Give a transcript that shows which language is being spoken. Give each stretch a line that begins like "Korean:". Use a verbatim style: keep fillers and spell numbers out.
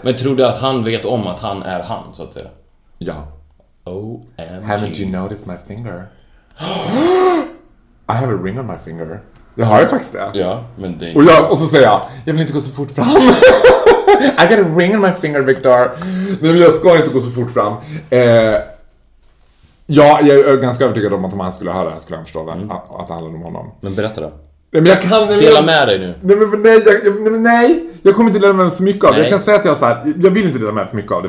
Swedish: Men tror du att han vet om att han är han, så att säga? Ja.
English: O M G. Haven't you noticed my finger? I have a ring on my finger.
Swedish: Jag har ju faktiskt det. Ja, men det... Och, jag, och så säger jag, jag vill inte gå så fort fram.
English: I got a ring on my finger, Victor.
Swedish: Nej, men jag ska inte gå så fort fram. Eh, ja, jag är ganska övertygad om att om han skulle höra det här skulle han förstå mm. att, att det handlade om honom. Men berätta då. Nej, men jag kan, nej, dela med dig nu. Nej, men, nej, jag, nej, nej, jag kommer inte dela med mig så mycket av det. Jag kan säga att jag så här, jag vill inte dela med mig för mycket av det.